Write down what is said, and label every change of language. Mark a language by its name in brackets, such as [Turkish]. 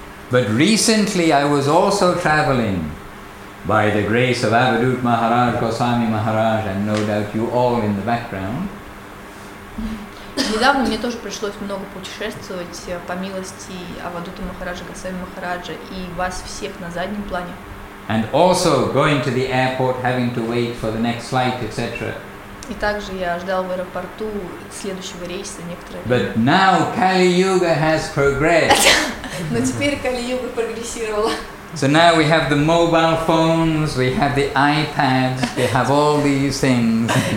[English] But recently I was also traveling by the grace of Avadhut Maharaj, Goswami Maharaj, and no doubt you all in the background. [Russian] Недавно мне тоже пришлось много путешествовать по милости Авадута Махараджа, Госвами Махараджа и вас всех на заднем плане. [English] And also going to the airport, having to wait for the next flight, etc. [Russian] И также я ждал в аэропорту следующего рейса некоторое время. [English] But now Kali Yuga has progressed. [Russian] Но теперь Кали Юга прогрессировала. [English] So now we have the mobile phones, we have the iPads, we have all these things.